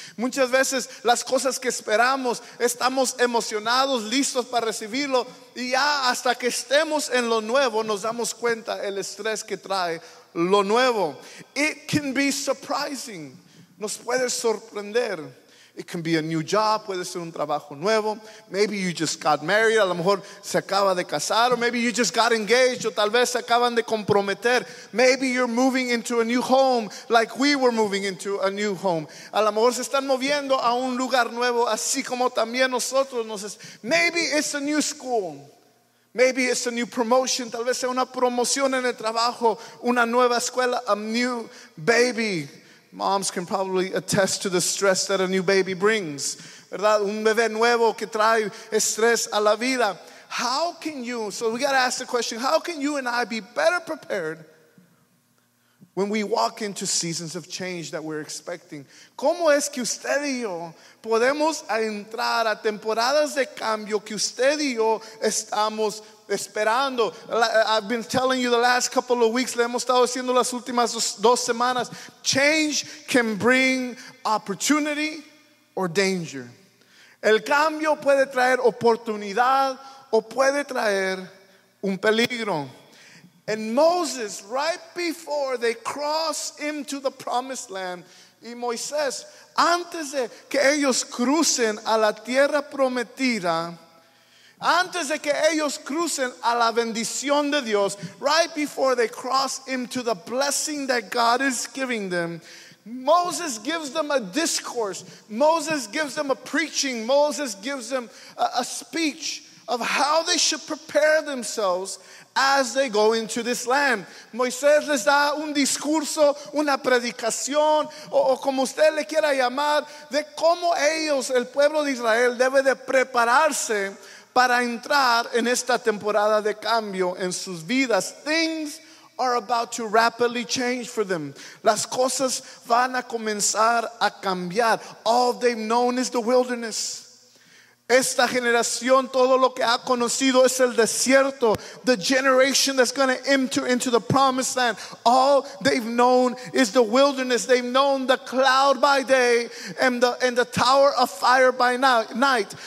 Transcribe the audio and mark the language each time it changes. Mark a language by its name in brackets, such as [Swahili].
[Spanish] Muchas veces las cosas que esperamos, estamos emocionados, listos para recibirlo, y ya hasta que estemos en lo nuevo, nos damos cuenta el estrés que trae lo nuevo. [English] It can be surprising. [Spanish] Nos puede sorprender. [English] It can be a new job, [Spanish] puede ser un trabajo nuevo. [English] Maybe you just got married, [Spanish] a lo mejor se acaba de casar. [English] Or maybe you just got engaged, [Spanish] o tal vez se acaban de comprometer. [English] Maybe you're moving into a new home, like we were moving into a new home. [Spanish] A lo mejor se están moviendo a un lugar nuevo, así como también nosotros. [English] Maybe it's a new school. Maybe it's a new promotion. [Spanish] Tal vez sea una promoción en el trabajo, una nueva escuela, [English] a new baby. Moms can probably attest to the stress that a new baby brings. [Spanish] ¿Verdad? Un bebé nuevo que trae estrés a la vida. [English] How can you, so we got to ask the question, how can you and I be better prepared when we walk into seasons of change that we're expecting? [Spanish] ¿Cómo es que usted y yo podemos entrar a temporadas de cambio que usted y yo estamos esperando? [English] I've been telling you the last couple of weeks, [Spanish] le hemos estado haciendo las últimas dos semanas, [English] change can bring opportunity or danger. [Spanish] El cambio puede traer oportunidad o puede traer un peligro. [English] And Moses, right before they cross into the promised land, [Spanish] y Moisés, antes de que ellos crucen a la tierra prometida, antes de que ellos crucen a la bendición de Dios, [English] right before they cross into the blessing that God is giving them, Moses gives them a discourse. Moses gives them a preaching. Moses gives them a speech of how they should prepare themselves as they go into this land. [Spanish] Moisés les da un discurso, una predicación, o como usted le quiera llamar, de cómo ellos, el pueblo de Israel, debe de prepararse para entrar en esta temporada de cambio en sus vidas. [English] Things are about to rapidly change for them. [Spanish] Las cosas van a comenzar a cambiar. [English] All they've known is the wilderness. [Spanish] Esta generación, todo lo que ha conocido es el desierto. [English] The generation that's going to enter into the promised land, all they've known is the wilderness. They've known the cloud by day and the tower of fire by night.